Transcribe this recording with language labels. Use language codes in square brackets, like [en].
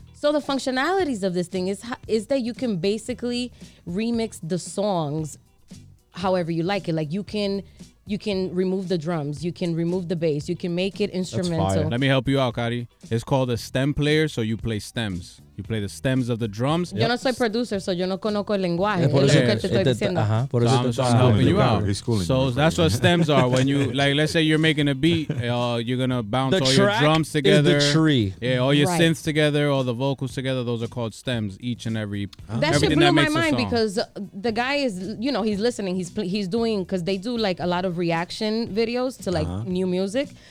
[en] So the functionalities of this thing is that you can basically remix the songs however you like it. Like you can remove the drums. You can remove the bass. You can make it instrumental. That's fire. Let me help you out, Kari. It's called a STEM player, so you play stems. You play the stems of the drums. [es] Yo no soy producer, so yo no conozco el lenguaje. Por eso que te estoy diciendo. [en] So I'm helping you out. So that's what stems are. When you, like, let's say you're making a beat, you're going to bounce all your drums together. The tree. Yeah, all your synths together, all the vocals together, those are called stems, each and every. That shit blew my mind because the guy is, you know, he's listening. He's doing, because they do, like, a lot of reaction videos to, like, new music.